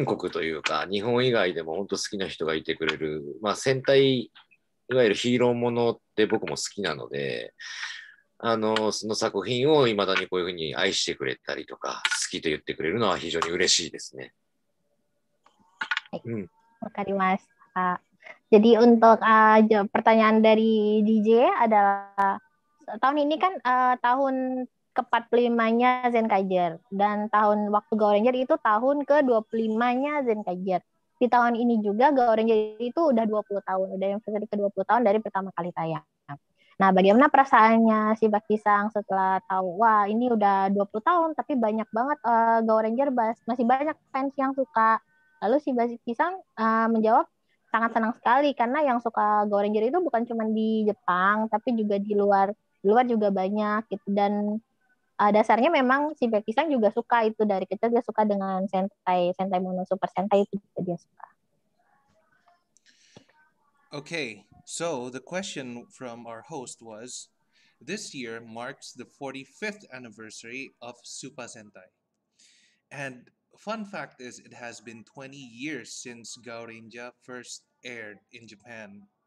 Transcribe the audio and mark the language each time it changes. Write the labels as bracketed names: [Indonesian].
[Japanese] 国というか、日本以外でも本当好きな人がいてくれる、まあ、戦隊、いわゆるヒーローものって僕も好きなので、その作品を未だにこういうふうに愛してくれたりとか、好きと言ってくれるのは非常に嬉しいですね。はい。うん。わかりました。 [Indonesian] Jadi untuk pertanyaan dari DJ adalah tahun ini kan tahun ke-45-nya Zenkaiger dan tahun waktu Gaoranger itu tahun ke-25-nya Zenkaiger. Di tahun ini juga Gaoranger itu udah 20 tahun, udah anniversary ke-20 tahun dari pertama kali tayang. Nah, bagaimana perasaannya si Bakisang setelah tahu wah ini udah 20 tahun tapi banyak banget Gaoranger masih banyak fans yang suka. Lalu si Bakisang menjawab sangat senang sekali karena yang suka Gaoranger itu bukan cuma di Jepang tapi juga di luar. Luar juga banyak gitu dan dasarnya memang si Bakisang juga suka itu dari kecil dia suka dengan Sentai, Sentai Mono Super Sentai itu juga dia suka. [English] Okay, so the question from our host was, this year marks the 45th anniversary of Super Sentai. And fun fact is, it has been 20 years since Gaoranger first aired in Japan.